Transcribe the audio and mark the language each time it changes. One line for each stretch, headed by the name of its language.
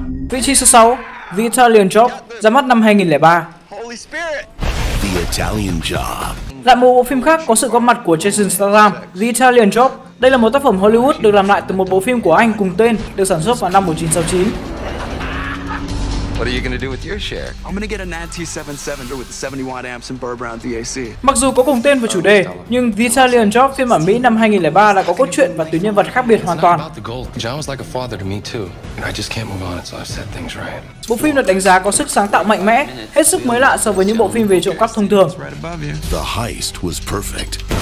Vietnamese: Vị trí số 6, The Italian Job, ra mắt năm 2003. The Italian Job. Lại một bộ phim khác có sự góp mặt của Jason Statham, The Italian Job. Đây là một tác phẩm Hollywood được làm lại từ một bộ phim của anh cùng tên được sản xuất vào năm 1969.
English: What are you going to do with your share? I'm going to get a 977 with 70 watt amps and Burr Brown DAC.
Vietnamese: Mặc dù có cùng tên và chủ đề, nhưng The Italian Job phim ở Mỹ năm 2003 đã có cốt truyện và tuyến nhân vật khác biệt hoàn toàn.
English: John was like a father to me too, and I just can't move on until I've set things right.
Vietnamese: Bộ phim được đánh giá có sức sáng tạo mạnh mẽ, hết sức mới lạ so với những bộ phim về trộm cắp thông thường.
English: The heist was perfect.